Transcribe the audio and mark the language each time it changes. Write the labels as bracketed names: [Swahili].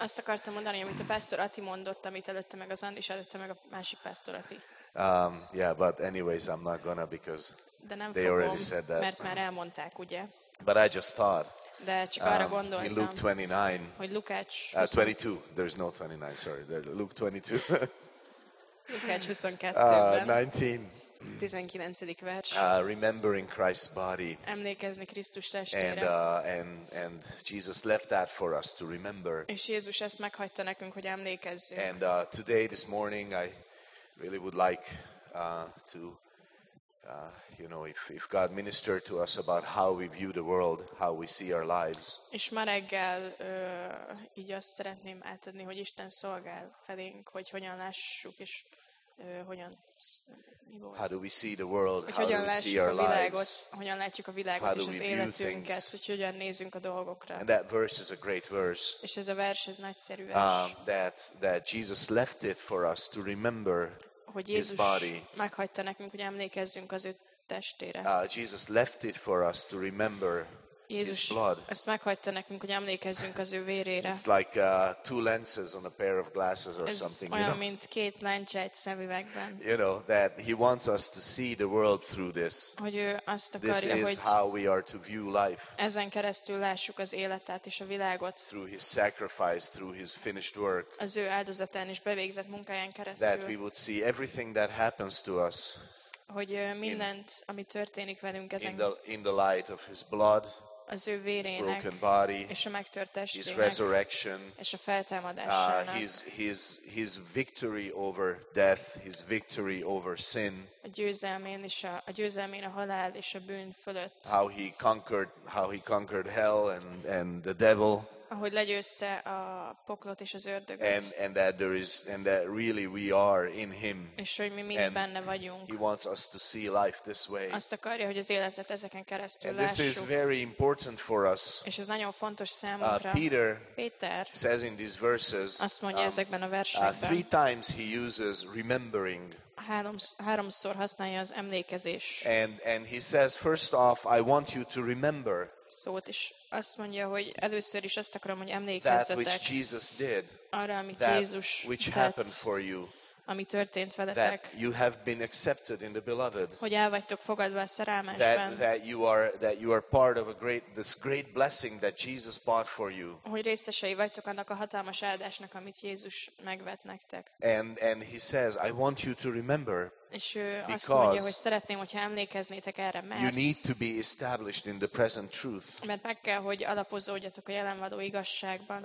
[Hungarian] Azt akartam mondani, amit a Pastor Ati mondott, amit előtte meg az András, előtte meg a másik Pastor Ati. [English] Yeah, but anyways, I'm not gonna because they [Hungarian] fogom, [English] already said that. [Hungarian] Mert már elmondták, ugye? [English] But I just thought. [Hungarian] De csak arra gondoltam. [English] In Luke 29. [Hungarian] Hogy Lukács. [English] 22. There's no 29. Sorry. There, Luke 22. [Hungarian] Lukács 22-ben. [English] 19. [Hungarian] 19. vers. [English] Remembering Christ's body. [Hungarian] Emlékezni Krisztus testére. [English] And Jesus left that for us to remember. [Hungarian] És Jézus ezt meghagyta nekünk, hogy emlékezzünk. [English] And today, this morning, I really would like to, you know, if God ministered to us about how we view the world, how we see our lives. [Hungarian] És ma reggel így azt szeretném átadni, hogy Isten szolgál felénk, hogy hogyan lássuk és hogyan [English] How do we see the world? [Hungarian] Hogy hogyan látjuk a világot? Hogyan látjuk a világot és az életünket? Hogy hogyan nézünk a dolgokra? [English] And that verse is a great verse. [Hungarian] És ez a vers ez nagyszerű vers. [English] That Jesus left it for us to remember His body. [Hungarian] Hogy Jézus meghagyta nekünk, hogy emlékezzünk az ő testére. [English] Jesus left it for us to remember [Hungarian] Jézus [English] His blood. [Hungarian] Ezt meghagyta nekünk, hogy emlékezzünk az ő vérére. [English] It's like two lenses on a pair of glasses or [Hungarian] Ez [English] something. [Hungarian] Olyan, [English] you know? [Hungarian] Mint két lencse egy szemüvegben. [English] You know that He wants us to see the world through this. [Hungarian] Hogy ő azt akarja, [English] this is [Hungarian] hogy [English] how we are to view life. [Hungarian] Ezen keresztül lássuk az életet és a világot. [English] Through His sacrifice, through His finished work. [Hungarian] Az ő áldozatán és bevégzett munkáján keresztül. [English] That we would see everything that happens to us. [Hungarian] Hogy mindent, ami történik velünk ezen. [English] In the light of His blood. [Hungarian] Az ő vérének, [English] his broken body, [Hungarian] és a megtört testének, [English] his resurrection, [Hungarian] és a feltámadásának, [English] his victory over death, his victory over sin, [Hungarian] a győzelmén a halál és a bűn fölött, [English] how he conquered hell and the devil, [Hungarian] ahogy legyőzte a poklot és az ördögöt. [English] And that really we are in him. [Hungarian] És hogy mi mind benne vagyunk. [English] He wants us to see life this way. [Hungarian] Azt akarja, hogy az életet ezeken keresztül [English] and [Hungarian] lássuk. [English] This is very important for us. [Hungarian] És ez nagyon fontos számunkra. [English] Peter says in these verses. [Hungarian] Azt mondja ezekben a versekben. [English] Three times he uses remembering. [Hungarian] Háromszor használja az emlékezés. [English] And he says, first off, I want you to remember. [Hungarian] Szót is azt mondja, hogy először is azt akarom, hogy emlékezzetek. [English] That which Jesus did. [Hungarian] Arra, amit Jézus tett. [English] Which happened for you. [Hungarian] Ami történt veletek. [English] That you have been accepted in the beloved. [Hungarian] Hogy el vagytok fogadva a szerelmesben. [English] That you are part of a great this great blessing that Jesus bought for you. [Hungarian] Hogy részesei vagytok annak a hatalmas áldásnak, amit Jézus megvett nektek. [English] And he says, I want you to remember. [Hungarian] És ő azt mondja, hogy szeretném, hogyha emlékeznétek erre, mert [English] you need to be established in the present truth. [Hungarian] Mert meg kell, hogy alapozódjatok a jelenvaló igazságban.